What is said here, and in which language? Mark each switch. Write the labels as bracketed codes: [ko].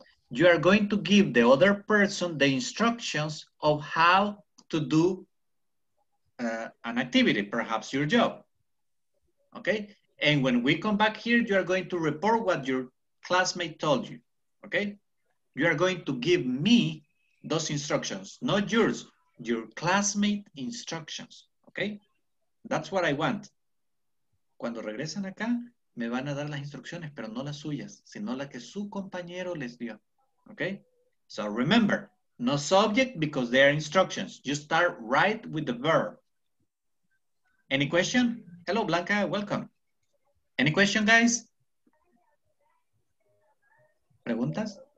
[en] You are going to give the other person the instructions of how to do an activity, perhaps your job, okay? And when we come back here, you are going to report what your classmate told you, okay? You are going to give me those instructions, not yours, your classmate instructions, okay? That's what I want. [es] Cuando regresan acá, me van a dar las instrucciones, pero no las suyas, sino la que su compañero les dio, okay? [en] So remember, no subject because they are instructions. You start right with the verb. Any question? Hello, Blanca, welcome. Any question, guys? [es] Preguntas?